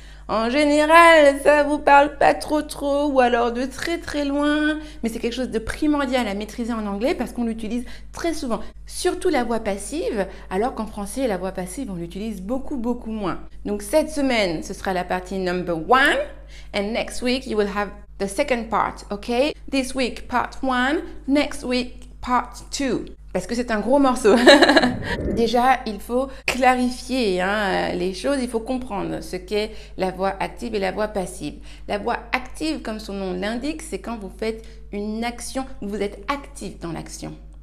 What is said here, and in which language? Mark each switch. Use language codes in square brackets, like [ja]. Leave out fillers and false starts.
[fr] En général, ça vous parle pas trop trop ou alors de très très loin, mais c'est quelque chose de primordial à maîtriser en anglais parce qu'on l'utilise très souvent. Surtout la voix passive, alors qu'en français, la voix passive, on l'utilise beaucoup beaucoup moins. Donc cette semaine, ce sera la partie [en] number one. And next week, you will have the second part, ok? This week, part one. Next week, part two. [fr] Parce que c'est un gros morceau. Déjà, il faut clarifier hein, les choses, il faut comprendre ce qu'est la voix active et la voix passive. La voix active, comme son nom l'indique, c'est quand vous faites une action, vous êtes actif dans l'action.